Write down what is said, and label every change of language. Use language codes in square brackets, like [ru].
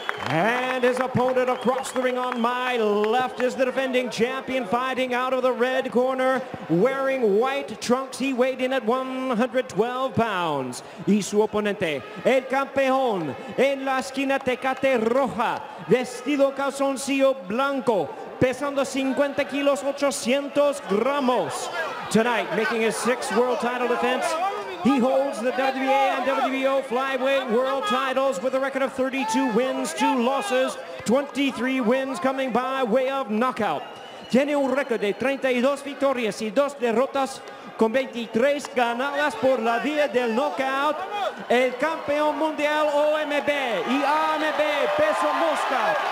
[en] And his opponent across the ring on my left is the defending champion, fighting out of the red corner, wearing white trunks. He weighed in at 112 pounds. [es] Y su oponente, el campeón, en la esquina Tecate Roja, vestido calzoncillo blanco, pesando 50 kilos 800 gramos. [en] Tonight, making his 6th world title defense, he holds the WBA and WBO flyweight world titles with a record of 32 wins, 2 losses, 23 wins coming by way of knockout. [es] Tiene un récord de 32 victorias y 2 derrotas con 23 ganadas por la vía del knockout. El campeón mundial OMB y AMB peso mosca.